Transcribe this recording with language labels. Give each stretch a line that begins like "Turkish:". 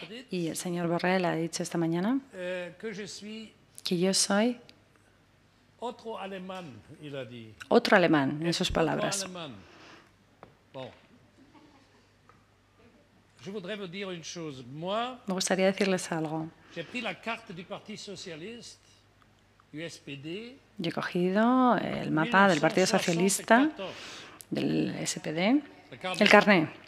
Spanish: Y el señor Borrell ha dicho esta mañana que yo soy otro alemán, en sus palabras. Me gustaría decirles algo.
French: He pris la carte du Parti Socialiste.
Spanish: Yo he cogido el mapa del Partido Socialista, del SPD, el carné.